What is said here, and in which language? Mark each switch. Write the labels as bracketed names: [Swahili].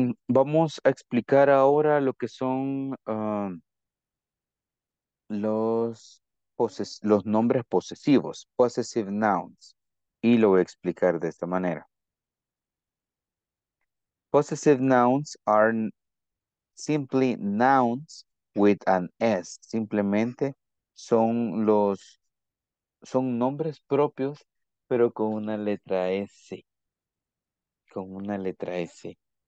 [Spanish] Vamos a explicar ahora lo que son los nombres posesivos, [English] possessive nouns, [Spanish] y lo voy a explicar de esta manera. [English] Possessive nouns are simply nouns with an S. [Spanish] Simplemente son nombres propios, pero con una letra S. Con una letra S.